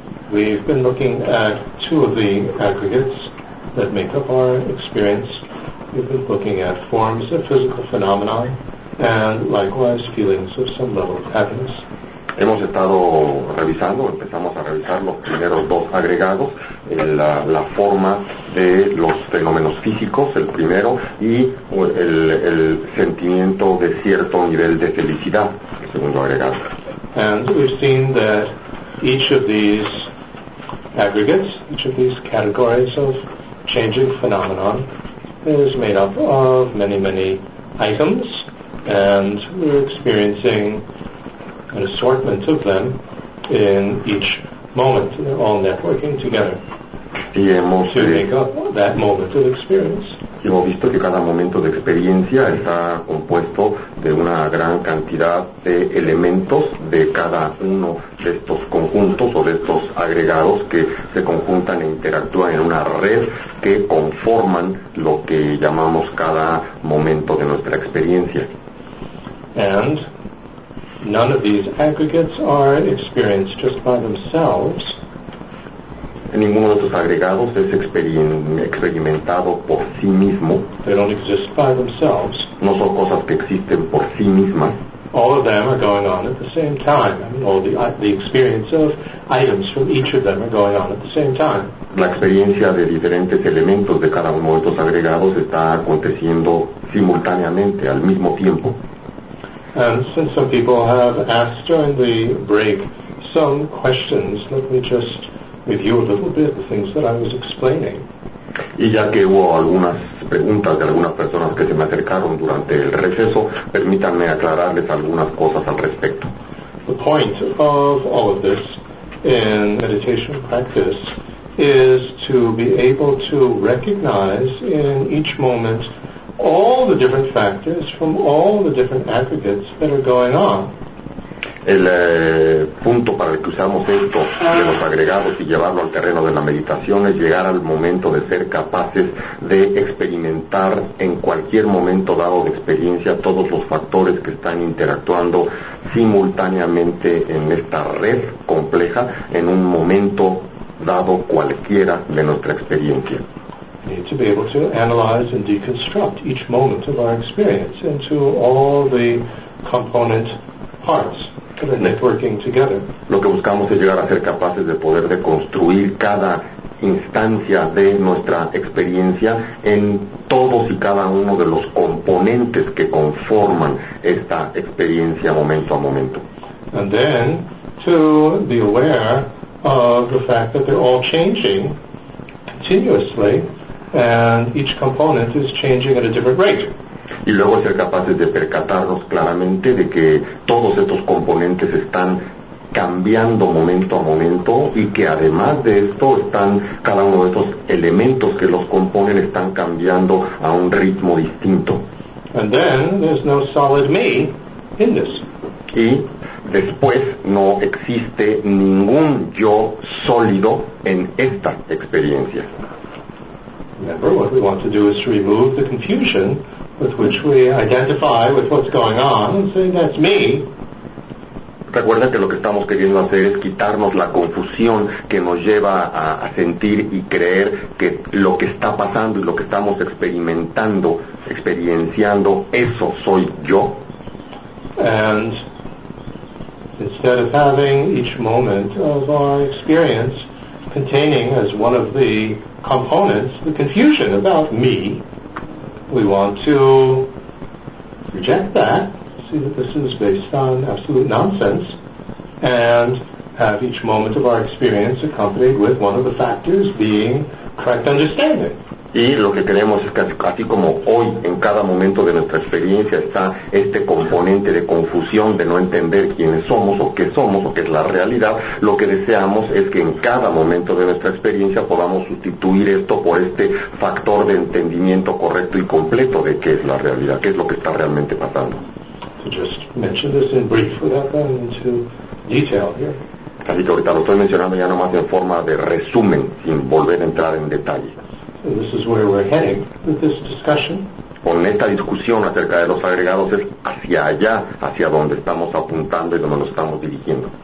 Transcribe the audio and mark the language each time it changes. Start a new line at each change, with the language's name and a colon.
English: We've been looking at two of the aggregates that make up our experience. We've been looking at forms of physical phenomena and likewise feelings of some level of happiness.
Spanish: Hemos estado revisando, empezamos a revisar los primeros dos agregados, la forma de los fenómenos físicos, el primero, y el sentimiento de cierto nivel de felicidad, el segundo agregado.
English: And we've seen that each of these aggregates, each of these categories of changing phenomenon, is made up of many, many items, and we're experiencing an assortment of them in each moment. They're all networking together to make up that moment of experience.
Spanish: Y hemos visto que cada momento de experiencia está compuesto de una gran cantidad de elementos de cada uno de estos conjuntos o de estos agregados que se conjuntan e interactúan en una red que conforman lo que llamamos cada momento de nuestra experiencia.
English: And none of these aggregates are experienced just by themselves.
Spanish: Ninguno de estos agregados es experimentado por sí mismo.
English: They don't exist by themselves.
Spanish: No son cosas que existen por sí mismas.
English: All of them are going on at the same time. I mean, all the experience of items from each of them are going on at the same time.
Spanish: La experiencia de diferentes elementos de cada uno de estos agregados está aconteciendo simultáneamente, al mismo tiempo.
English: And since some people have asked during the break some questions, let me just review a little bit the things that I was explaining.
Spanish: Y ya que hubo algunas preguntas de algunas personas que se me acercaron durante el receso, permítanme aclararles algunas cosas al respecto.
English: The point of all of this in meditation practice is to be able to recognize in each moment all the different factors from all the different aggregates that are going on.
Spanish: El punto para el que usamos esto de los agregados y llevarlo al terreno de la meditación es llegar al momento de ser capaces de experimentar en cualquier momento dado de experiencia todos los factores que están interactuando simultáneamente en esta red compleja en un momento dado cualquiera de nuestra experiencia.
English: We need to be able to analyze and deconstruct each moment of our experience into all the component parts that are networking together.
Spanish: Lo que buscamos es llegar a ser capaces de poder deconstruir cada instancia de nuestra experiencia en todos y cada uno de los componentes que conforman esta experiencia momento a momento.
English: And then to be aware of the fact that they're all changing continuously, and each component is changing at a different rate.
Spanish: Y luego ser capaces de percatarnos claramente de que todos estos componentes están cambiando momento a momento y que además de esto están cada uno de estos elementos que los componen están cambiando a un ritmo distinto.
English: And then there's no solid me in this.
Spanish: Y después no existe ningún yo sólido en esta experiencia.
English: Remember, what we want to do is to remove the confusion with which we identify with what's going on and say, that's me.
Spanish: Recuerda que lo que estamos queriendo hacer es quitarnos la confusión que nos lleva a sentir y creer que lo que está pasando y lo que estamos experimentando, experienciando, eso soy yo.
English: And instead of having each moment of our experience containing as one of the components, the confusion about me, we want to reject that, see that this is based on absolute nonsense, and have each moment of our experience accompanied with one of the factors being correct understanding.
Spanish: Y lo que queremos es que así como hoy, en cada momento de nuestra experiencia, está este componente de confusión, de no entender quiénes somos o qué es la realidad, lo que deseamos es que en cada momento de nuestra experiencia podamos sustituir esto por este factor de entendimiento correcto y completo de qué es la realidad, qué es lo que está realmente pasando.
English: Just mention this in brief without going into detail here.
Spanish: Así que ahorita lo estoy mencionando ya nomás en forma de resumen, sin volver a entrar en detalle.
English: And this is where we're heading with this discussion.
Spanish: Con esta discusión acerca de los agregados es hacia allá, hacia donde estamos apuntando y donde nos estamos dirigiendo.